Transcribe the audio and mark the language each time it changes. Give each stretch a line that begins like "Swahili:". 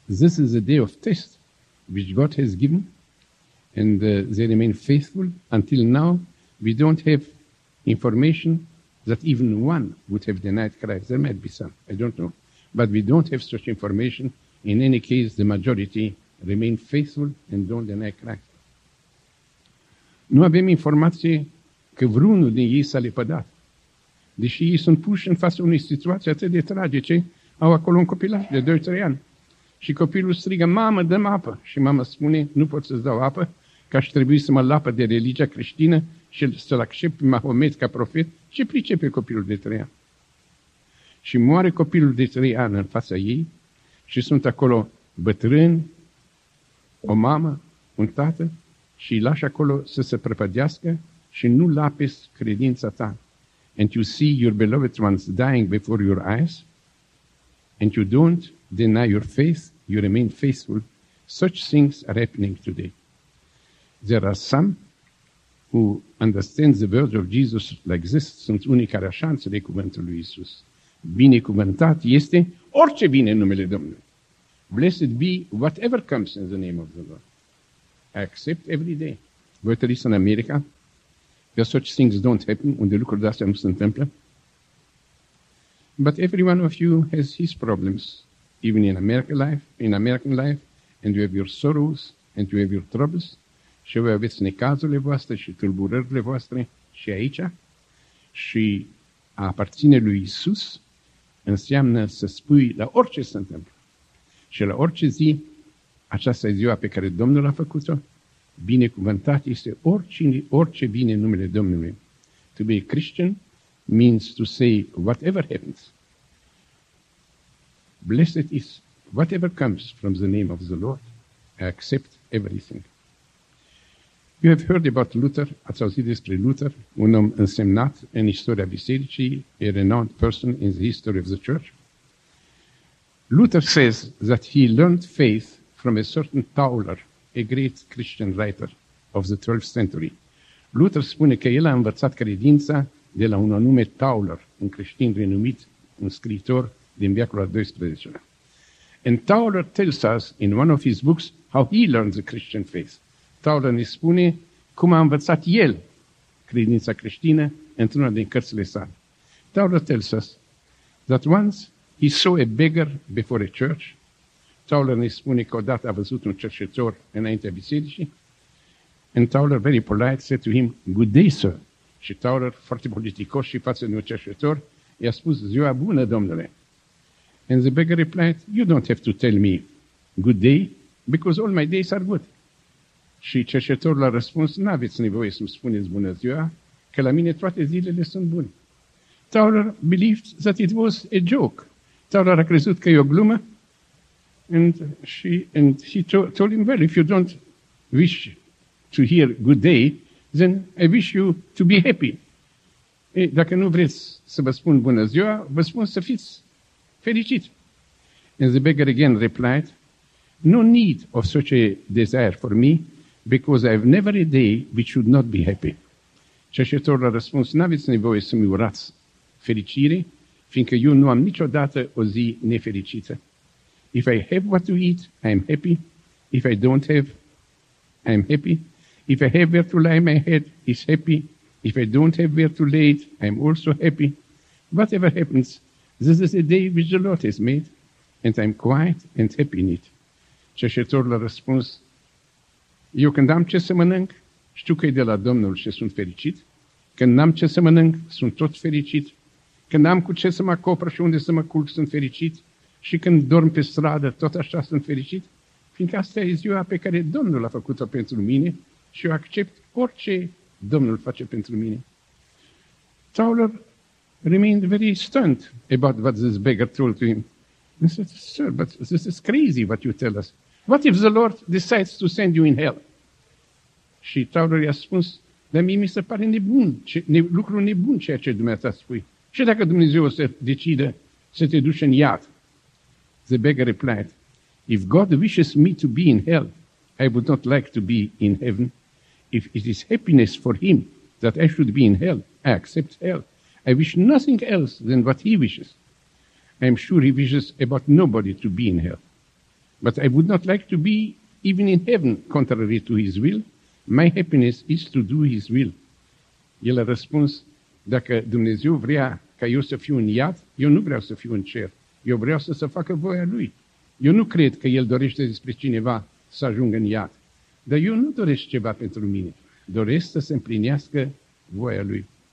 English: This is a day of test which God has given, and they remain faithful. Until now, we don't have information that even one would have denied Christ. There might be some, I don't know. But we don't have such information. In any case, the majority remain faithful and don't deny Christ.
Romanian: Nu avem informație că vreunul din ei s-a lepădat. Deși ei sunt puși în fața unei situații atât de tragice, au acolo un copilaș de 2-3 ani. Și copilul strigă, mamă, dă-mi apă. Și mama spune, nu pot să-ți dau apă, că aș trebui să mă lapă de religia creștină și să-l accept pe Mahomet ca profet. Ce pricepe copilul de 3 ani? Și moare copilul de 3 ani în fața ei și sunt acolo bătrâni, o mamă, un tată, și îi lași acolo să se prăpădească și nu lapezi credința ta.
English: And you see your beloved ones dying before your eyes, and you don't deny your faith, you remain faithful. Such things are happening today. There are some who understand the words of Jesus like this.
Romanian: Sunt unii care așa înțeleg cuvântul lui Iisus. Binecuvântat este orice vine în numele Domnului.
English: Blessed be whatever comes in the name of the Lord. I accept every day.
Romanian: Voi trăiți în America,
English: where such things don't happen,
Romanian: unde lucruri de astea nu se întâmplă.
English: But every one of you has his problems, even in America life, in American life, and you have your sorrows, and you have your troubles,
Romanian: și voi aveți necazurile voastre și tulburările voastre și aici, și a aparține lui Iisus înseamnă să spui la orice se întâmplă și la orice zi, aceasta e ziua pe care Domnul a făcut-o. Binecuvântat este oricine, orice bine în numele Domnului.
English: To be a Christian means to say whatever happens. Blessed is whatever comes from the name of the Lord. I accept everything. You have heard about Luther.
Romanian: Ați auzit despre Luther, un om însemnat în istoria bisericii,
English: a renowned person in the history of the church. Luther says that he learned faith from a certain Tauler, a great Christian writer of the 12th century.
Romanian: Luther spune că el a învățat credința de la un anume Tauler, un creștin renumit, un scriitor din viacul al 12-lea.
English: And Tauler tells us in one of his books how he learned the Christian faith.
Romanian: Tauler ne spune cum a învățat el credința creștină într-una din cărțile sale.
English: Tauler tells us that once he saw a beggar before a church.
Romanian: Tauler ne spune că odată a văzut un cercetător înaintea bisericii.
English: And Tauler, very polite, said to him, good day, sir.
Romanian: Și Tauler, foarte politicos și față de un cercetător, i-a spus, ziua bună, domnule.
English: And the beggar replied, you don't have to tell me good day, because all my days are good.
Romanian: Și cercetătorul a răspuns, n-aveți nevoie să-mi spuneți bună ziua, că la mine toate zilele sunt bune.
English: Tauler believed that it was a joke.
Romanian: Tauler a crezut că e o glumă.
English: And he told him, well, if you don't wish to hear good day, then I wish you to be happy.
Romanian: E, dacă nu vreți să vă spun bună ziua, vă spun să fiți fericit.
English: And the beggar again replied, no need of such a desire for me, because I have never a day which should not be happy.
Romanian: Cercetătorul a răspuns, n-aveți nevoie să-mi urați fericire, fiindcă eu nu am niciodată o zi nefericită.
English: If I have what to eat, I am happy. If I don't have, I am happy. If I have where to lie my head, is happy. If I don't have where to lay it, I am also happy. Whatever happens, this is a day which the Lord has made, and I am quiet and happy in it.
Romanian: Cercetătorul a răspuns, eu când am ce să mănânc, Știu că e de la Domnul și sunt fericit. Când n-am ce să mănânc, sunt tot fericit. Când n-am cu ce să mă acopăr și unde să mă culc, sunt fericit. Și când dorm pe stradă, tot așa sunt fericit. Fiindcă asta e ziua pe care Domnul a făcut-o pentru mine și eu accept orice Domnul face pentru mine.
English: Tauler remained very stunned about what this beggar told to him. He said, sir, but this is crazy what you tell us. What if the Lord decides to send you in hell?
Romanian: Și Tauler i-a spus, dar mie mi se pare nebun, lucru nebun ceea ce dumneata spui. Și dacă Dumnezeu se decide să te duci în iad?
English: The beggar replied, if God wishes me to be in hell, I would not like to be in heaven. If it is happiness for him that I should be in hell, I accept hell. I wish nothing else than what he wishes. I am sure he wishes about nobody to be in hell. But I would not like to be even in heaven, contrary to his will. My happiness is to do his will.
Romanian: El a răspuns, dacă Dumnezeu vrea ca eu să fiu în iad, eu nu vreau să fiu în cer. Eu vreau să se facă voia lui. Eu nu cred că el dorește despre cineva să ajungă în iad. Dar eu nu doresc ceva pentru mine. Doresc să se împlinească voia lui.